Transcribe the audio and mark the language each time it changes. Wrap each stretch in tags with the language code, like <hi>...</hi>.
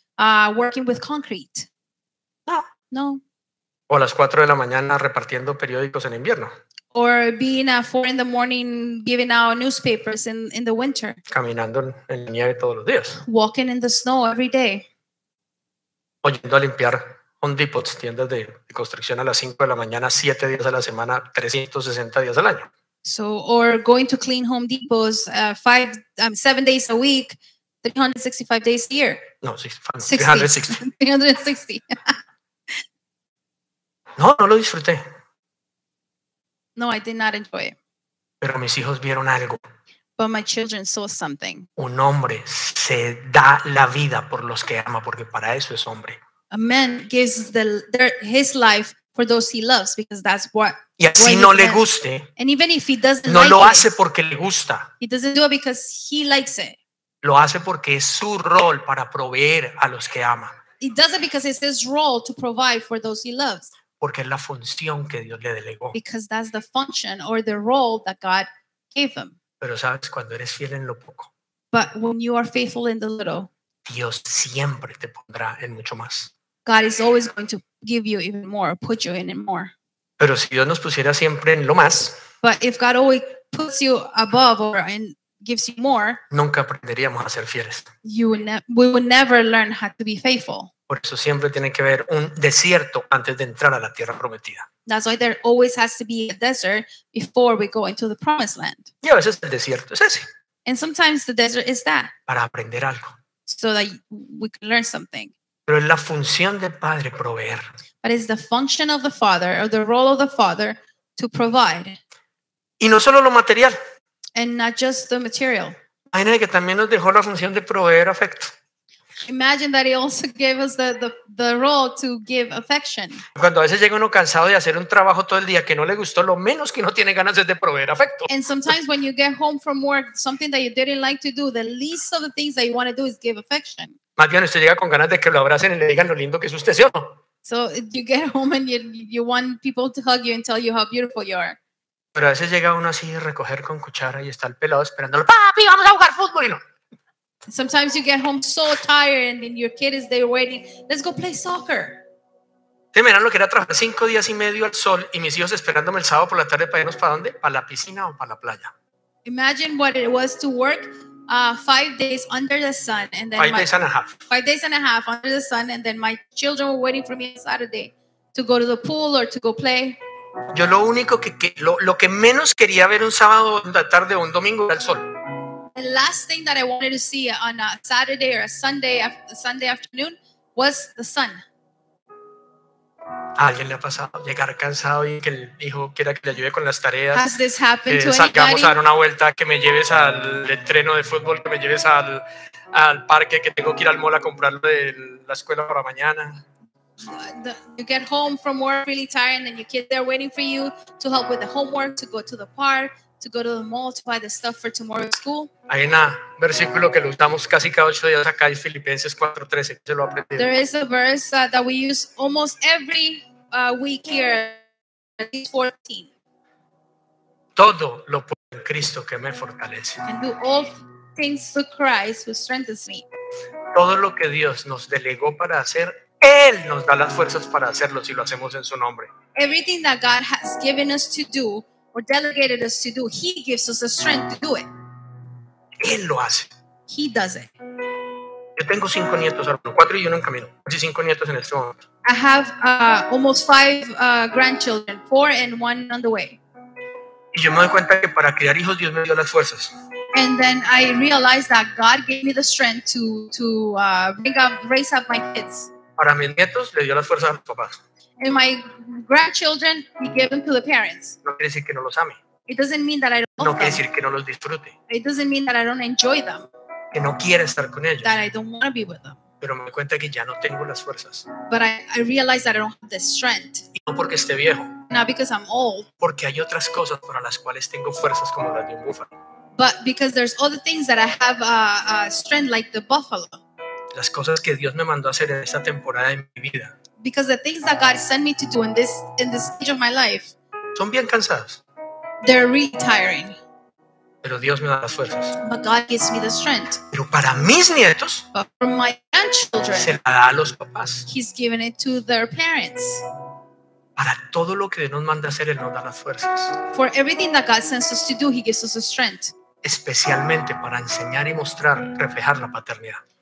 <en>working with concrete. No.</en> <es>O a las 4 de la mañana repartiendo periódicos en invierno.</es> <en>Or being at 4 in the morning giving out newspapers in the winter.</en> <es>Caminando en la nieve todos los días.</es> <en>Walking in the snow every day.</en> <es>O yendo a limpiar Home Depot, tiendas de construcción a las 5 de la mañana, 7 días a la semana, 360 días al año.</es> <en>So, or going to clean Home Depots 7 days a week, 365 days a year. No, 360.</en> <es>No, no lo disfruté.</es> <en>No, I did not enjoy it.</en> <es>Pero mis hijos vieron algo.</es> <en>But my children saw something.</en> <es>Un hombre se da la vida por los que ama, porque para eso es hombre.</es> <en>A man gives his life for those he loves, because that's what.</en> <es>Y así no le guste.</es> <en>And even if he doesn't like it.</en> <es>No lo hace porque le gusta.</es> <en>He doesn't do it because he likes it.</en> <es>Lo hace porque es su rol para proveer a los que ama.</es> <en>He does it because it's his role to provide for those he loves.</en> <es>Porque es la función que Dios le delegó.</es> <en>Because that's the function or the role that God gave him.</en> <es>Pero sabes, cuando eres fiel en lo poco.</es> <en>But when you are faithful in the little.</en> <es>Dios siempre te pondrá en mucho más.</es> <en>God is always going to give you even more, put you in it more.</en> <es>Pero si Dios nos pusiera siempre en lo más.</es> <en>But if God always puts you above or in gives you more,</en> <es>nunca aprenderíamos a ser fieles.</es> <en>We would never learn how to be faithful.</en> <es>Por eso siempre tiene que haber un desierto antes de entrar a la tierra prometida.</es> <en>That's why there always has to be a desert before we go into the promised land.</en> <es>Y a veces el desierto es ese.</es> <en>And sometimes the desert is that.</en> <es>Para aprender algo.</es> <en>So that we can learn something.</en> <es>Pero es la función del padre proveer.</es> <en>But it's the function of the father or the role of the father to provide.</en> <es>Y no solo lo material.</es> <en>And not just the material.</en> <es>Imagine que también nos dejó la función de proveer afecto.</es> <en>Imagine that he also gave us the role to give affection.</en> <es>Cuando a veces llega uno cansado de hacer un trabajo todo el día que no le gustó, lo menos que uno tiene ganas es de proveer afecto.</es> <en>And sometimes when you get home from work, something that you didn't like to do, the least of the things that you want to do is give affection.</en> <es>Más bien, usted llega con ganas de que lo abracen y le digan lo lindo que es usted, ¿sí o no?</es> <en>So you get home and you want people to hug you and tell you how beautiful you are.</en> <es>Pero a veces llega uno así a recoger con cuchara y está el pelado esperándolo. ¡Papi, vamos a jugar fútbol! Y no.</es> <en>Sometimes you get home so tired and then your kid is there waiting. Let's go play soccer.</en> <es>¿Te imaginas lo que era trabajar 5 días y medio al sol y mis hijos esperándome el sábado por la tarde para irnos para dónde? ¿Para la piscina o para la playa?</es> <en>Imagine what it was to work 5 days under the sun and then 5 days and a half under the sun and then my children were waiting for me on Saturday to go to the pool or to go play.</en> <es>Yo lo único que que menos quería ver un sábado en la tarde o un domingo era el sol.</es> <en>The last thing that I wanted to see on a Saturday or a Sunday afternoon was the sun.</en> <es>¿A alguien le ha pasado llegar cansado y que el hijo quiera que le ayude con las tareas?</es> <en>Has this happened to</en> <es>salgamos</es> <en>anybody?</en> <es>A dar una vuelta, que me lleves al entreno de fútbol, que me lleves al parque, que tengo que ir al mall a comprarlo de la escuela para mañana.</es> <en>You get home from work really tired and then your kids there waiting for you to help with the homework, to go to the park, to go to the mall to buy the stuff for tomorrow's school.</en> <es>Hay un versículo que lo usamos casi cada 8 días acá, en Filipenses 4:13. Se lo aprendí.</es> <en>There is a verse that we use almost every week here, at least 14.</en> <es>Todo lo puedo en Cristo que me fortalece.</es> <en>And do all things through Christ who strengthens me.</en> <es>Todo lo que Dios nos delegó para hacer, Él nos da las fuerzas para hacerlo si lo hacemos en su nombre.</es> <en>Everything that God has given us to do or delegated us to do, He gives us the strength to do it.</en> <es>Él lo hace.</es> <en>He does it.</en> <es>Yo tengo 5 nietos, 4 y 1 en camino. Casi 5 nietos en este momento.</es> <en>I have almost 5 grandchildren, 4 and 1 on the way.</en> <es>Y yo me doy cuenta que para criar hijos Dios me dio las fuerzas.</es> <en>And then I realized that God gave me the strength to raise up my kids.</en> <es>Para mis nietos le dio las fuerzas a los papás.</es> <en>And my grandchildren, he gave them to the parents.</en> <es>No quiere decir que no los ame.</es> <en>It doesn't mean that I don't love them.</en> <es>No quiere decir que no los disfrute.</es> <en>It doesn't mean that I don't enjoy them.</en> <es>Que no quiero estar con ellos.</es> <en>That I don't want to be with them.</en> <es>Pero me doy cuenta que ya no tengo las fuerzas.</es> <en>But I realize that I don't have the strength.</en> <es>Y no porque esté viejo.</es> <en>Not because I'm old.</en> <es>Porque hay otras cosas para las cuales tengo fuerzas como las de un búfalo.</es> <en>But because there's other things that I have a strength like the buffalo.</en> <es>Las cosas que Dios me mandó a hacer en esta temporada de mi vida.</es> <en>Because the things that God sent me to do in this stage of my life,</en> <es>son bien cansadas.</es> <en>They're really tiring.</en> <es>Pero Dios me da las fuerzas.</es> <en>But God gives me the strength.</en> <es>Pero para mis nietos,</es> <en>but for my grandchildren,</en> <es>se la da a los papás.</es> <en>He's given it to their parents.</en> <es>Para todo lo que nos manda hacer, Él nos da las fuerzas.</es> <en>For everything that God sends us to do, He gives us the strength.</en> <es>Especialmente para enseñar y mostrar, reflejar la paternidad.</es>